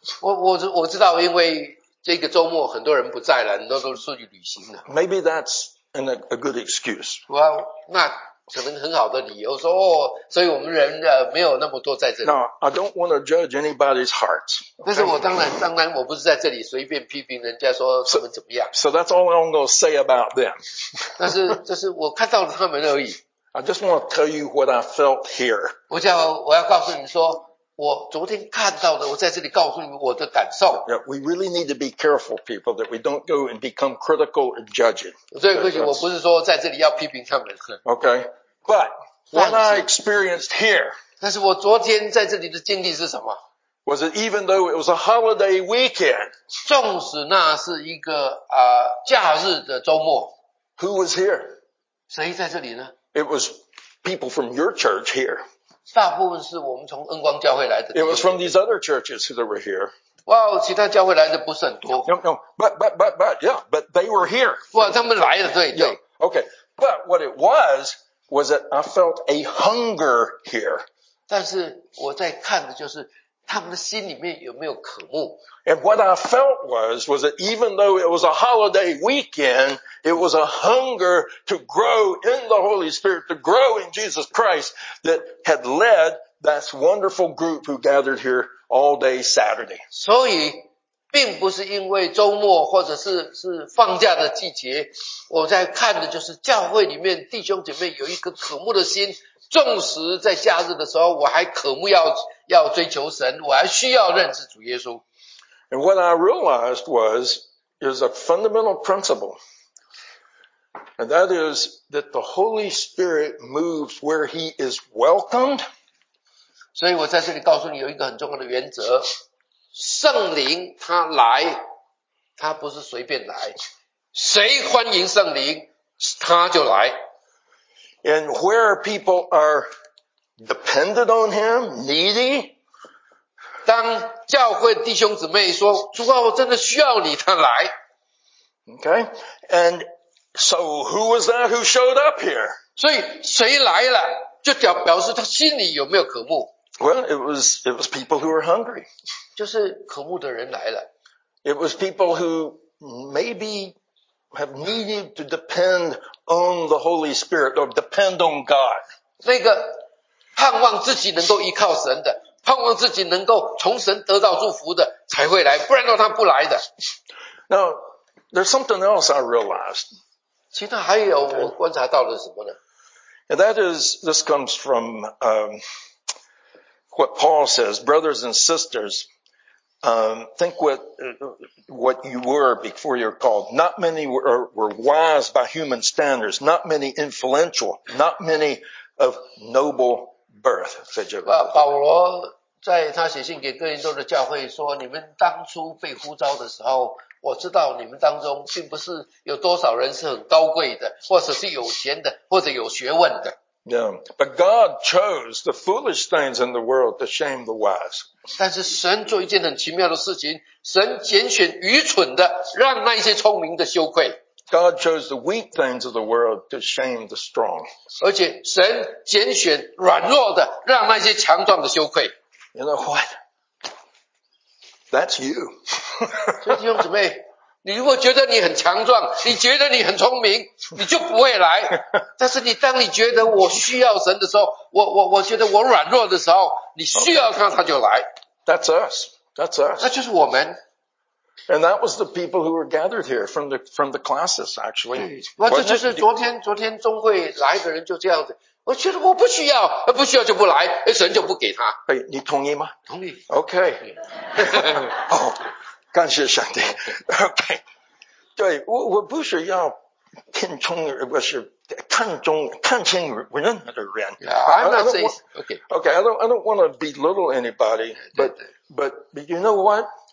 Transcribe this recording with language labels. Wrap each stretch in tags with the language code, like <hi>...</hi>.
<zh>我知道，因为这个周末很多人不在了，很多都出去旅行了。</zh> <en>Maybe that's a good excuse. Well,</en> <zh>那可能很好的理由说，所以我们人没有那么多在这里。</zh> <en>No, I don't want to judge anybody's hearts. Okay?</en> <zh>但是我当然，我不是在这里随便批评人家说他们怎么样。</zh> <en>So that's all I'm going to say about them.</en> <zh>但是我看到了他们而已。</zh> <en>I just want to tell you what I felt here.</en> <zh>我要告诉你说，我昨天看到的，我在这里告诉你我的感受。</zh> <en>Yeah, we really need to be careful, people, that we don't go and become critical and judging.</en> <zh>所以不行，我不是说在这里要批评他们。</zh> <en>Okay, but what I experienced here.</en> <zh>但是我昨天在这里的经历是什么？</zh> <en>Was it even though it was a holiday weekend?</en> <zh>纵使那是一个假日的周末。</zh> <en>Who was here?</en> <zh>谁在这里呢？</zh> <en>It was people from your church here.</en> <zh>大部分是我们从恩光教会来的。</zh> <en>It was from these other churches that were here.</en> <zh>哇，其他教会来的不是很多。</zh> <en>No, but yeah, but they were here.</en> <zh>哇，他们来了，对对。</zh> <en>Yeah, okay, but what it was that I felt a hunger here.</en> <zh>但是我在看的就是他们心里面有没有渴慕。</zh> <en>And what I felt was that even though it was a holiday weekend, it was a hunger to grow in the Holy Spirit, to grow in Jesus Christ that had led that wonderful group who gathered here all day Saturday.</en> <zh>所以并不是因为周末或者是放假的季节，我在看的就是教会里面弟兄姐妹有一个渴慕的心，纵使在夏日的时候我还渴慕要追求神，我还需要认识主耶稣。</zh> <en>And what I realized was is a fundamental principle, and that is that the Holy Spirit moves where he is welcomed.</en> <zh>所以我在这里告诉你有一个很重要的原则，圣灵他来，他不是随便来，谁欢迎圣灵他就来。</zh> <en>And where people are dependent on him, needy.</en> <zh>当教会弟兄姊妹说，主啊，我真的需要你，他来。</zh> <en>Okay. And so who was that who showed up here?</en> <zh>所以谁来了，就表示他心里有没有渴慕。</zh> <en>Well, it was people who were hungry.</en> <zh>就是渴慕的人来了。</zh> <en>It was people who maybe have needed to depend on the Holy Spirit or depend on God.</en> <zh>那个盼望自己能够依靠神的，盼望自己能够从神得到祝福的才会来，不然的话他不来的。</zh> <en>Now, there's something else I realized.</en> <zh>其他还有我观察到了什么呢？</zh> <en>And that is, this comes from, what Paul says, brothers and sisters,think what you were before you were called. Not many were wise by human standards. Not many influential. Not many of noble birth.</en> <zh>保罗在他写信给哥林多的教会说，你们当初被呼召的时候，我知道你们当中并不是有多少人是很高贵的，或者是有钱的，或者有学问的。</zh> <en>Yeah. But God chose the foolish things in the world to shame the wise.</en> <zh>但是神做一件很奇妙的事情，神拣选愚蠢的，让那些聪明的羞愧。</zh> <en>God chose the weak things of the world to shame the strong.</en> <zh>而且神拣选软弱的，让那些强壮的羞愧。</zh> <en>You know what? That's you.</en> <zh>所以弟兄姊妹，你如果觉得你很强壮，你觉得你很聪明，你就不会来。但是你当你觉得我需要神的时候，我觉得我软弱的时候，你需要他，他就来。</zh> <en>That's us. That's us.</en> <zh>那就是我们。</zh> <en>And that was the people who were gathered here from the classes, actually.</en> <zh>那这就是昨天中会来的人就这样子。我觉得我不需要，不需要就不来，神就不给他。哎，你同意吗？同意。</zh> <en>Okay.</en> <zh>感谢上帝。</zh> <en>Okay.</en> <zh>对，我不是要看重，不是看清任何的人。</zh> <en>Yeah, I'm not saying, okay. Okay, I don't want to belittle anybody, but you know what?</en>